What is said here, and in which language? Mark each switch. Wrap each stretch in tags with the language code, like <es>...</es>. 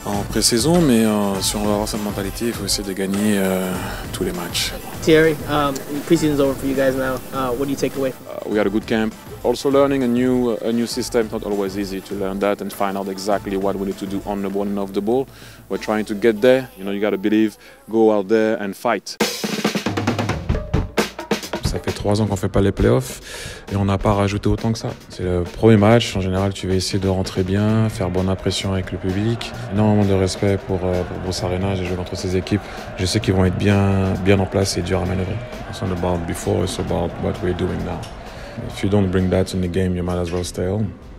<fr>pré-saison, mais si on veut avoir cette mentalité, il faut essayer de gagner tous les matchs.</fr> <en>Thierry, pre-season is over for you guys now. What do you take away from? We had a good camp. Also, learning a new system, it's not always easy to learn that and find out exactly what we need to do on the ball and off the ball. We're trying to get there. You know, you got to believe, go out there and fight.</en> <fr>Ça fait 3 ans qu'on ne fait pas les playoffs et on n'a pas rajouté autant que ça. C'est le premier match, en général tu vas essayer de rentrer bien, faire bonne impression avec le public. Énormément de respect pour Bruce Arena, j'ai joué contre ces équipes. Je sais qu'ils vont être bien en place et durs à manœuvrer.</fr> <en>It's not about before, it's about what we're doing now. If you don't bring that in the game, you might as well stay home.</en>